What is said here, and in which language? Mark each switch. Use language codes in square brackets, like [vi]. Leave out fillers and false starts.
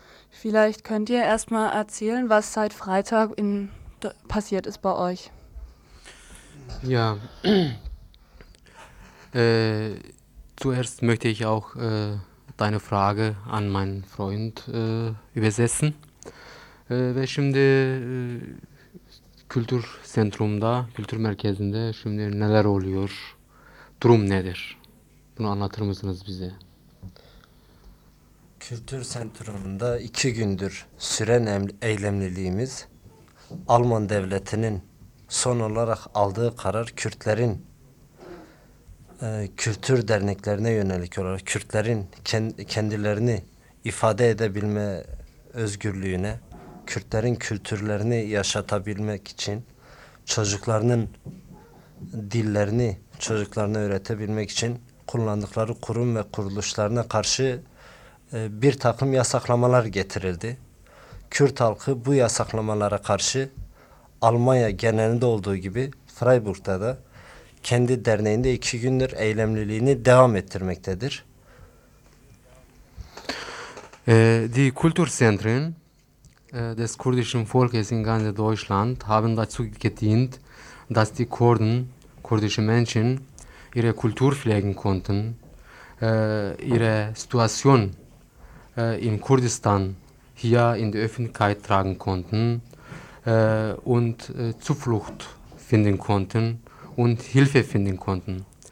[de] Vielleicht könnt ihr erstmal erzählen, was seit Freitag passiert ist bei euch. Ja, zuerst möchte ich auch deine Frage an meinen Freund übersetzen. [tr] Şimdi kültür zentrumda, kültür merkezinde şimdi neler oluyor, durum nedir? Bunu anlatır mısınız bize? Kültür zentrumunda iki gündür süren eylemliliğimiz, Alman devletinin son olarak aldığı karar Kürtlerin kültür derneklerine yönelik olarak Kürtlerin kendilerini ifade edebilme özgürlüğüne, Kürtlerin kültürlerini yaşatabilmek için, çocuklarının dillerini çocuklarına öğretebilmek için kullandıkları kurum ve kuruluşlarına karşı bir takım yasaklamalar getirildi. Kürt halkı bu yasaklamalara karşı Almanya genelinde olduğu gibi Freiburg'da da kendi derneğinde iki gündür eylemliliğini devam ettirmektedir. [de] Die Kulturzentren des kurdischen Volkes in ganz Deutschland haben dazu gedient, dass die Kurden, kurdische Menschen, ihre Kultur pflegen konnten, ihre Situation in Kurdistan hier in die Öffentlichkeit tragen konnten und Zuflucht finden konnten und Hilfe finden konnten.